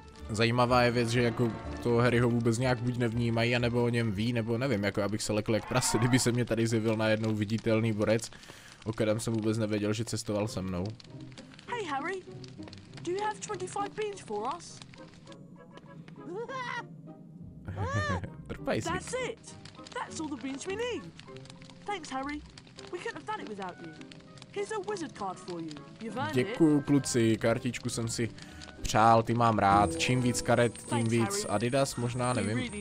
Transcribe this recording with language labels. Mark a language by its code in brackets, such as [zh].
[cs] Zajímavá je věc, že jako to Harryho vůbec nějak buď nevnímají, anebo o něm ví, nebo nevím, jako já bych se lekl jak prase, kdyby se mě tady zjevil najednou viditelný borec, o kterém jsem vůbec nevěděl, že cestoval se mnou. [en] Hey Harry, do you have 25 beans for us? [cs] Trpaj si. [en] That's it. That's all the beans we need. Thanks Harry. We couldn't have done it without you. Here's a wizard card for you. You've earned it. [cs] Děkuju kluci, kartičku jsem si přál, ty mám rád. Čím víc karet, tím víc Adidas, možná, nevím.